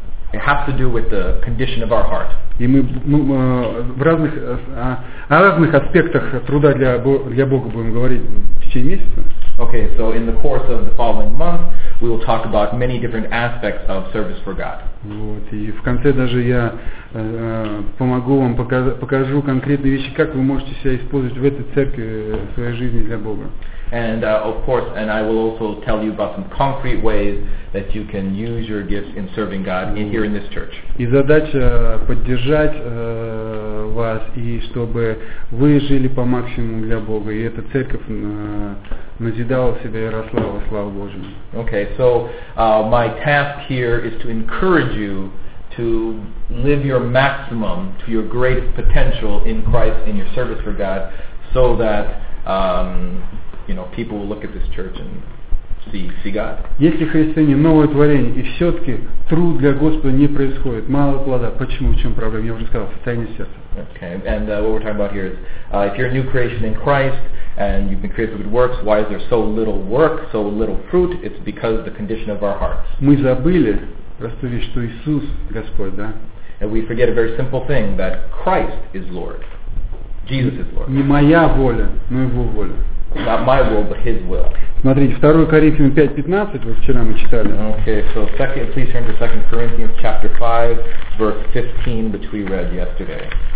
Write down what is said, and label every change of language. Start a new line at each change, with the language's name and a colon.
English: It has to do with the condition of our heart.
Russian: И мы в разных аспектах труда для Бога будем говорить в течение месяца.
English: Okay, so in the course of the following month, we will talk about many different aspects of service for God.
Russian: Вот, и в конце даже я помогу вам покажу конкретные вещи, как вы можете себя использовать в этой церкви в своей жизни для Бога.
English: And of course, and I will also tell you about some concrete ways that you can use your gifts in serving God here in this church.
Russian: И задача поддержать вас и чтобы вы жили по максимуму для Бога, и эта церковь назидала себя и росла во славу Божию.
English: Okay, so my task here is to encourage you to live your maximum to your greatest potential in Christ in your service for God, so that you know, people will look at this church and see God.
Russian: Если христиане новое творение, и все-таки труд для Господа не происходит, мало плода, почему, в чем проблема? Я уже сказал, состояние сердца.
English: Okay, and what we're talking about here is, if you're a new creation in Christ, and you've been created for good works, why is there so little work, so little fruit? It's because of the condition of our hearts.
Russian: Мы забыли простую вещь, что Иисус Господь, да?
English: And we forget a very simple thing, that Christ is Lord. Jesus is Lord.
Russian: Не моя воля, но Его воля.
English: Not my will, but His will.
Russian: Смотрите, 2 Коринфянам 5:15, вот вчера мы читали.
English: Okay, so please turn to 2 Corinthians chapter 5, verse 15, which we read yesterday.